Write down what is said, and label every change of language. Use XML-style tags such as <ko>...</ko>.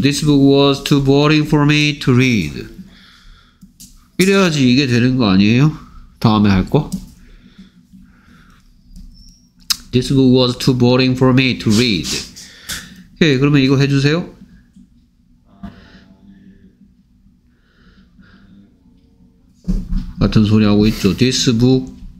<en>This book was too boring for me to read.</en> <ko>이래야지 이게 되는 거 아니에요? 다음에 할 거?</ko> <en>This book was too boring for me to read.</en> <ko>오케이, 그러면 이거 해주세요. 같은 소리 하고 있죠.</ko> <en>This book.</en>